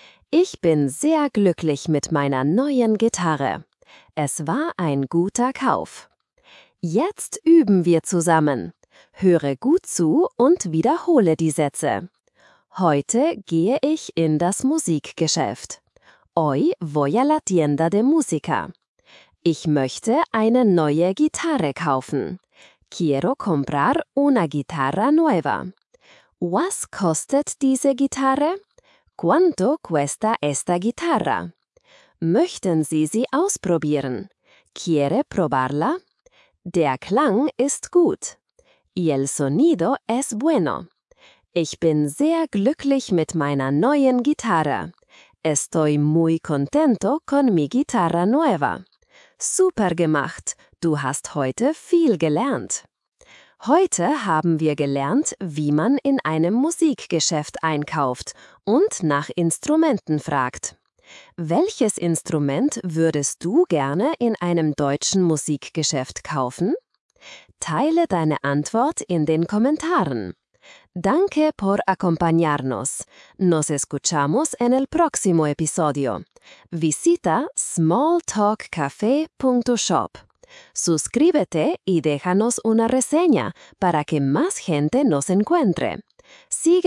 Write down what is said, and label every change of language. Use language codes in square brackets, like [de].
[de] Ich bin sehr glücklich mit meiner neuen Gitarre. Es war ein guter Kauf. Jetzt üben wir zusammen. Höre gut zu und wiederhole die Sätze. Heute gehe ich in das Musikgeschäft. [es] Hoy voy a la tienda de música. [de] Ich möchte eine neue Gitarre kaufen. [es] Quiero comprar una guitarra nueva. [de] Was kostet diese Gitarre? [es] ¿Cuánto cuesta esta guitarra? [de] Möchten Sie sie ausprobieren? [es] ¿Quiere probarla? [de] Der Klang ist gut. [es] Y el sonido es bueno. [de] Ich bin sehr glücklich mit meiner neuen Gitarre. [es] Estoy muy contento con mi guitarra nueva. [de] Super gemacht! Du hast heute viel gelernt. Heute haben wir gelernt, wie man in einem Musikgeschäft einkauft und nach Instrumenten fragt. Welches Instrument würdest du gerne in einem deutschen Musikgeschäft kaufen? Teile deine Antwort in den Kommentaren. [es] Danke por acompañarnos. Nos escuchamos en el próximo episodio. Visita smalltalkcafe.shop. Suscríbete y déjanos una reseña para que más gente nos encuentre. Síguenos en YouTube e Instagram para más tips.